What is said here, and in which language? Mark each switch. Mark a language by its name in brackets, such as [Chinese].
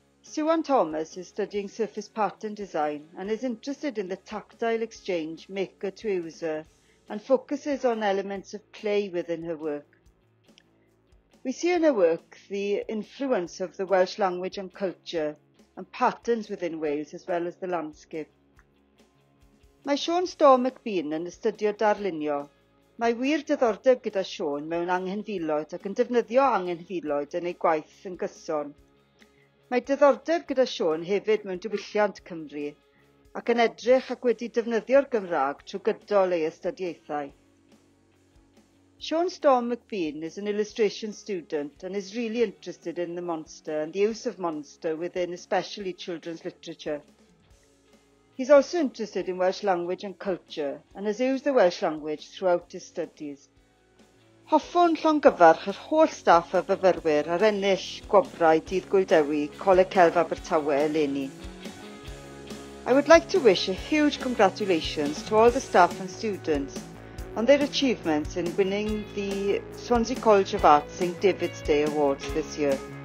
[English] Siwan Thomas is studying surface pattern design and is interested in the tactile exchange maker to user and focuses on elements of clay within her work. We see in her work the influence of the Welsh language and culture and patterns within Wales as well as the landscape. [Welsh] Mae Sean Storm McBean yn astudio darlunio. Mae wir diddordeb gyda Sean mewn anghenfiloedd ac yn defnyddio anghenfiloedd yn ei gwaith yn gyson. Mae diddordeb gyda Sean hefyd mewn diwylliant Cymru ac yn edrych ac wedi defnyddio'r Gymraeg trwy gydol ei astudiaethau. [English] Sean Storm McBean is an illustration student and is really interested in the monster and the use of monster within especially children's literature. He's also interested in Welsh language and culture and has used the Welsh language throughout his studies. [Welsh] Hoffwn llongyfarch yr holl staff y fyfyrwyr ar ennill gwobrau dydd gwyldewi Coleg Celf Abertawe eleni. [English] I would like to wish a huge congratulations to all the staff and students on their achievements in winning the Swansea College of Arts St. David's Day Awards this year.